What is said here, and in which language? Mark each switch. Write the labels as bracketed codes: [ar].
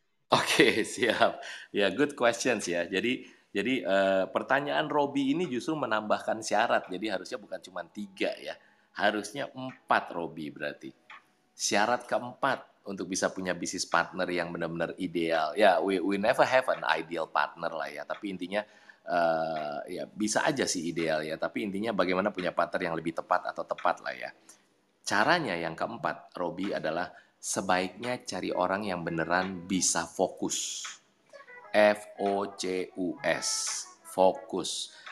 [id] Oke, siap. Ya, [en] good questions [id] ya. Jadi pertanyaan Robi ini justru menambahkan syarat. Jadi harusnya bukan cuma 3 ya. Harusnya 4 Robi berarti. Syarat keempat untuk bisa punya bisnis partner yang benar-benar ideal. [en] Ya, we never have an ideal partner [id] lah ya. Tapi intinya ya bisa aja sih ideal ya, tapi intinya bagaimana punya partner yang lebih tepat atau tepat lah ya. Caranya yang keempat, Robi, adalah sebaiknya cari orang yang beneran bisa fokus. F-O-C-U-S, fokus.